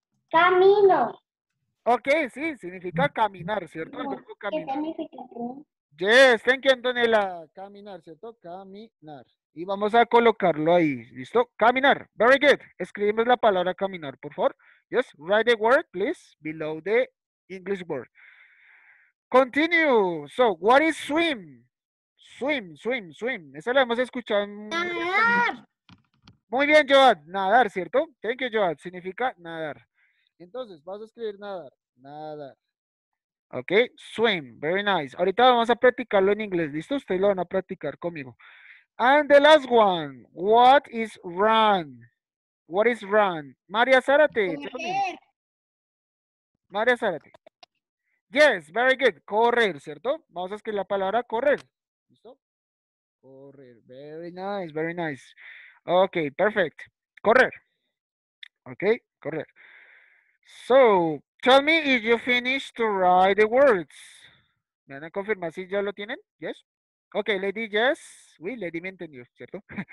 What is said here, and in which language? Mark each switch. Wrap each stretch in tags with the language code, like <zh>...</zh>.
<es>Camino. Ok, sí, significa caminar, ¿cierto? No, ¿qué significa?</es> <en>Yes, thank you,</en> <es>Antonella. Caminar, ¿cierto? Caminar. Y vamos a colocarlo ahí, ¿listo? Caminar.</es> <en>Very good.</en> <es>Escribimos la palabra caminar, por favor.</es> <en>Yes, write the word, please, below the English word. Continue. So, what is swim? Swim, swim, swim.</en> <es>Esa la hemos escuchado. Nadar. Muy bien, Joad. Nadar, ¿cierto?</es> <en>Thank you,</en> <es>Joad. Significa nadar. Entonces, vas a escribir nadar. Nadar.</es> <en>Ok. Swim. Very nice.</en> <es>Ahorita vamos a practicarlo en inglés. ¿Listo? Ustedes lo van a practicar conmigo.</es> <en>And the last one. What is run? What is run? María Zárate. María Zárate. Yes, very good.</en> <es>Correr, ¿cierto? Vamos a escribir la palabra correr. ¿Listo? Correr.</es> <en>Very nice, very nice. Ok, perfect.</en> <es>Correr. Ok, correr.</es> <en>So, tell me if you finish to write the words.</en> <es>¿Me van a confirmar si ya lo tienen? Yes. Ok, lady, yes. Uy, lady me entendió, ¿cierto?</es>